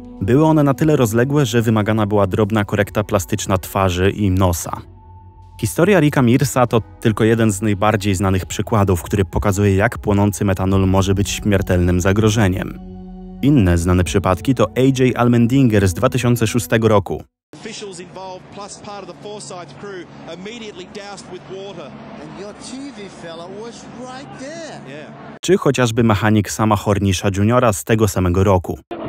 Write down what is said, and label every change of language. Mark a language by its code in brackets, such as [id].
[pl] Były one na tyle rozległe, że wymagana była drobna korekta plastyczna twarzy i nosa. Historia Ricka Mearsa to tylko jeden z najbardziej znanych przykładów, który pokazuje, jak płonący metanol może być śmiertelnym zagrożeniem. Inne znane przypadki to AJ Allmendinger z 2006 roku. [en] Officials involved plus part of the Forsythe crew immediately doused with water. And your TV fella was right there. Yeah. [pl] Czy chociażby mechanik Sama Hornisha Juniora z tego samego roku.